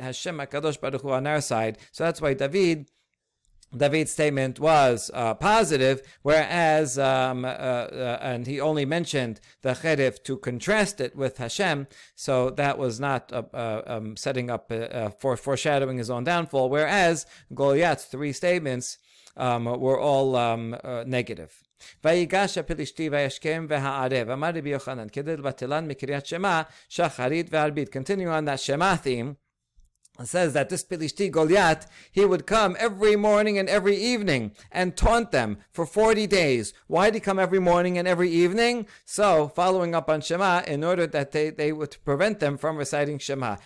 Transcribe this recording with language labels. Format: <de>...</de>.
<en>Hashem HaKadosh Baruch Hu on our side. So that's why David's statement was positive, whereas, and he only mentioned the Cherev to contrast it with Hashem, so that was not setting up for foreshadowing his own downfall, whereas Goliath's three statements were all negative.</en> <he>ויגש הפלישתי וישכם והערב אמר רבי יוחנן כדי לבטלן מקריאת שמע שחרית וערבית.</he> <en>Continue on that Shema theme. It says that this Pilishti Goliath, he would come every morning and every evening and taunt them for 40 days. Why did he come every morning and every evening? So, following up on Shema, in order that they would prevent them from reciting Shema.</en>